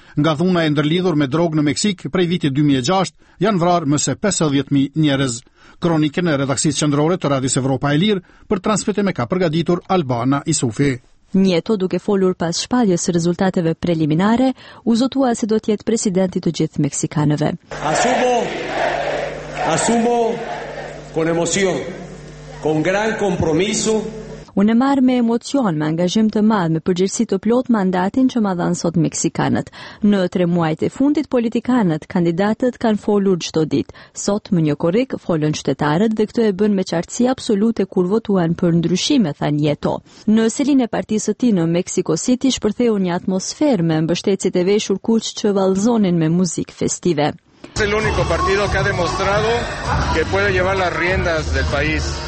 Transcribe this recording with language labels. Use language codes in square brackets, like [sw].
[sq] Nga dhuna e ndërlidhur me drogë në Meksik prej vitit 2006, janë vrarë më se 50.000 njerëz. Kronikën e redaksisë qendrore të Radios Evropa e Lirë për transmetim e ka përgatitur Albana Isufi. Nieto, duke folur pas shpalljes së rezultateve preliminare, u zotua se do të jetë presidenti të gjithë meksikanëve. [es] Asumo con emoción, con gran compromiso. [sq] Unë e marë me emocion, me angazhim të madh, me përgjegjësi të plot mandatin që ma dhanë sot meksikanët. Në tre muajt e fundit, politikanët, kandidatët kanë folur çdo ditë. Sot, më një korrik, folën qytetarët dhe këtë e bën me qartësi absolute kur votuan për ndryshime, thanë Nieto. Në selin e partisë së tij në Mexico City shpërtheu një atmosferë me mbështetësit e veshur kuq që vallëzonin me muzikë festive. [es] Es el único partido que ha demostrado que puede llevar las riendas del país.